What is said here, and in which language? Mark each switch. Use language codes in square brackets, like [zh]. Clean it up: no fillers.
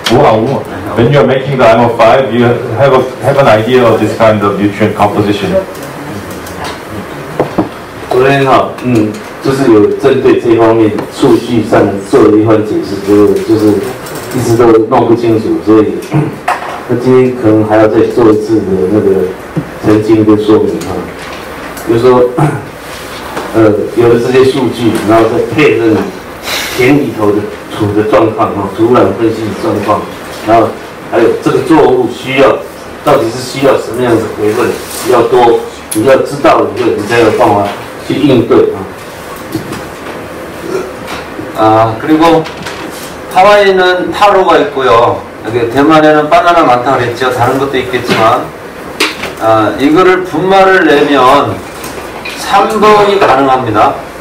[ko] 5번 아니 5번 [en] When you are making the IMO5, you have an idea of this kind of nutrient composition. [zh] 昨天就是有针对这方面数据上做了一番解释，就是一直都弄不清楚，所以那今天可能还要再做一次的那个澄清跟说明，就是说有的这些数据，然后再配那个田里头的土的状况，土壤分析的状况，然后还有这个作物需要到底是需要什么样的肥分，需要多，你要知道以后你才有办法去应对。 [ko] 아, 그리고 하와이는 타로가 있고요. 여기 대만에는 바나나 많다 그랬죠. 다른 것도 있겠지만. 아, 이거를 분말을 내면 3번이 가능합니다.